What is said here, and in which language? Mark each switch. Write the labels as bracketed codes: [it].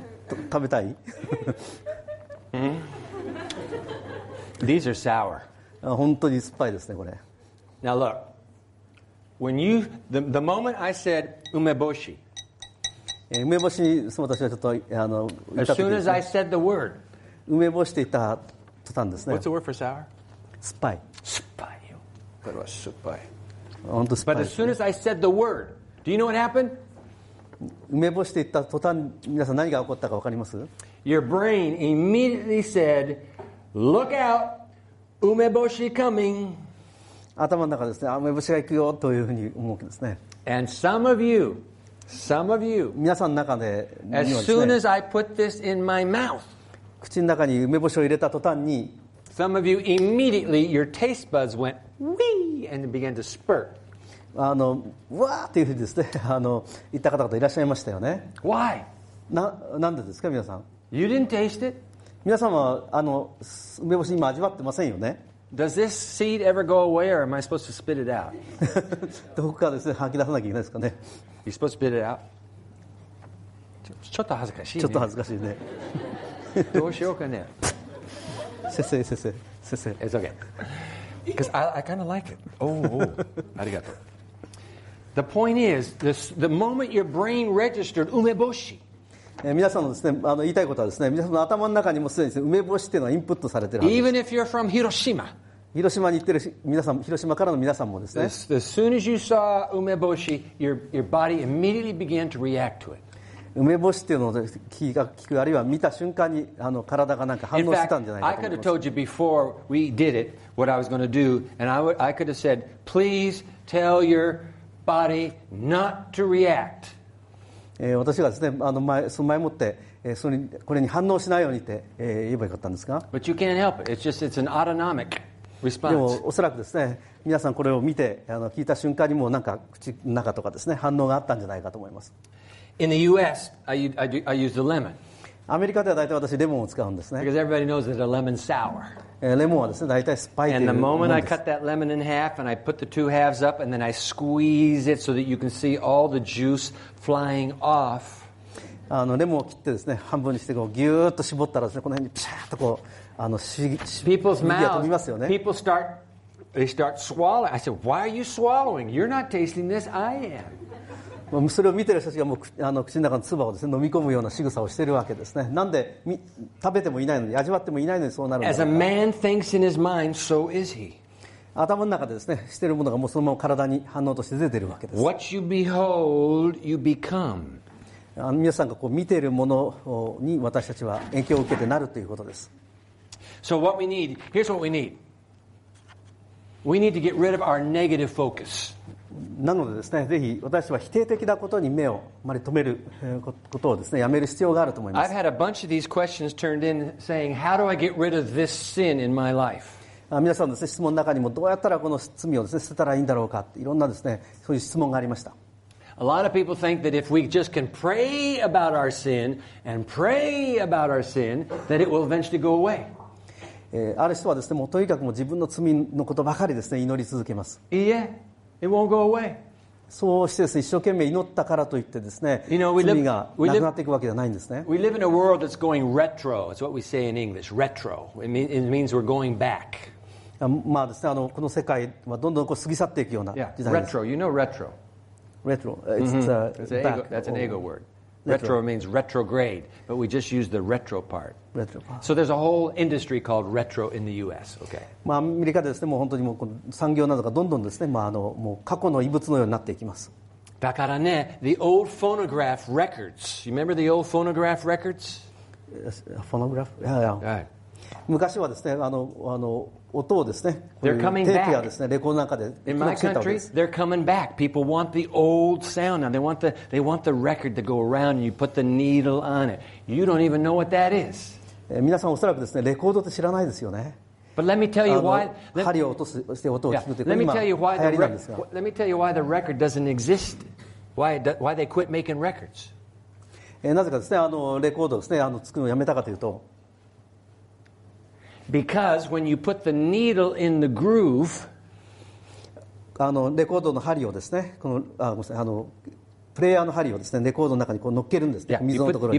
[ja] 食べたい。 [en] These are sour. [ja] 本当に酸っぱいですね、これ。 [en] Now look. When you the moment I said 梅干し。 [ja] 梅干しに私はちょっと言った時に、ね、 [en] as soon as I said the word, [ja] 梅干しと言った途端ですね。 [en] What's the word for sour? [ja] 酸っぱい。酸っぱいよ。これは酸っぱい。本当酸っぱい。 [en] But as soon as I said the word, do you know what happened? [ja] 梅干しと言った途端、皆さん何が起こったか分かります？ [en] Your brain immediately said, "Look out, 梅干し coming." [ja] 頭の中ですね、梅干しが行くよというふうに思うわけですね。 [en] And some of you. Some of you, [ja] 皆さんの中 で、 [en] as soon as I put this in my mouth, [ja] 口の中に梅干しを入れた途端に、 [en] some of you immediately your taste buds went wee and began to spurt. [ja] わーっていうふうにですね、言った方々いらっしゃいましたよね。 [en] Why? [ja] なんでですか、皆さん。 [en] You didn't taste it? [ja] 皆さんは梅干し今味わってませんよね。 [en] Does this seed ever go away, or am I supposed to spit it out? [ja] どこかですね、吐き出さなきゃいけないですかね。 [en] You're supposed to spit it out. [ja] ちょっと恥ずかしいね。ちょっと恥ずかしいね。どうしようかね。先生。 [en] It's okay. Because I kind of like it. Oh, [ja] ありがとう。 [en] The point is, the moment your brain registered 梅干し。 [ja] 皆さんのですね、言いたいことはですね、皆さんの頭の中にもすでにですね、梅干しっていうのはインプットされてるはずです。 [en] Even if you're from Hiroshima. [ja] 広島に行ってる皆さん、広島からの皆さんもですね。 [en] As soon as you saw 梅干し, your body immediately began to react to it. [ja] 梅干しっていうのを聞く、あるいは見た瞬間に体がなんか反応してたんじゃないかと思います。 [en] In fact, I could have told you before we did it what I was going to do, and I could have said, please tell your body not to react. [ja] 私がですね、その前もってそれこれに反応しないようにって言えばよかったんですが。 [en] But you can't help it. It's an autonomic response. [ja] でもおそらくですね、皆さんこれを見て聞いた瞬間にもなんか口の中とかですね、反応があったんじゃないかと思います。 [en] In the U.S., I use the lemon. [ja] アメリカでは大体私レモンを使うんですね。 [en] Because everybody knows that a lemon's sour. [ja] レモンはですね、大体酸っぱいというものです。 [en] And the moment I cut that lemon in half and I put the two halves up and then I squeeze it so that you can see all the juice flying off. [ja] レモンを切ってですね、半分にしてこうギューッと絞ったらですね、この辺にピシャーッとこう [en] People's mouth, [ja] ね、 [en] people start, they start swallowing. I said, "Why are you swallowing? You're not tasting this. I am." [ja] それを見てる人たちがもう口の中の唾をですね、飲み込むような仕草をしているわけですね。なんで食べてもいないのに、味わってもいないのにそうなるのか。 [en] As a man thinks in his mind, so is he. [ja] 頭の中でですね、しているものがもうそのまま体に反応として出ているわけです。 [en] What you behold, you become. [ja] 皆さんがこう見ているものに私たちは影響を受けてなるということです。 [en] So what we need, here's what we need. We need to get rid of our negative focus. [ja] なのでですね、ぜひ私は否定的なことに目をあまり止めることをですね、やめる必要があると思います。 [en] I've had a bunch of these questions turned in saying, how do I get rid of this sin in my life? [ja] 皆さんの質問の中にもどうやったらこの罪をですね、捨てたらいいんだろうか、いろんなですね、そういう質問がありました。 [en] A lot of people think that if we just can pray about our sin and pray about our sin, that it will eventually go away. [ja] ある人はですね、もうとにかくも自分の罪のことばかりですね、祈り続けます。いや、 [en] it won't go away。 [ja] そうしてですね、一生懸命祈ったからといってですね、 [en] you know, [ja] 罪がなくなっていくわけではないんですね。 [en] We live in a world that's going retro. It's what we say in English. Retro. It means we're going back. まあですね、この世界はどんどんこう過ぎ去っていくような時代です。 Retro. You know retro. Retro. It's, it's a back. That's an ego word. Retro means retrograde, but we just use the retro part. Retro. So there's a whole industry called retro in the U.S. Okay. [ja] まあアメリカでですね、もう本当にもう産業などがどんどんですね、まあもう過去の遺物のようになっていきます。だからね、 [en] the old phonograph records. You remember the old phonograph records? Phonograph? Yeah, yeah. Right. [ja] 昔はですね、音をですね、 [en] they're coming back. [ja] テープがですね、レコードの中で [en] In my country, they're coming back. People want the old sound now. They want the record to go around and you put the needle on it. You don't even know what that is. [ja] 皆さんおそらくですね、レコードって知らないですよね。 [en] But let me tell you why. [ja] 針を落とす、して音を聞くというか、今流行りなんですが。 [en] Let me tell you why the record doesn't exist. Why they quit making records. [ja] なぜかですね、レコードをですね、作るのをやめたかというと。 [en] Because when you put the needle in the groove, [ja] レコードの針をですね、このごめんなさい、プレイヤーの針をですね、レコードの中にこう乗っけるんですね、溝のところに。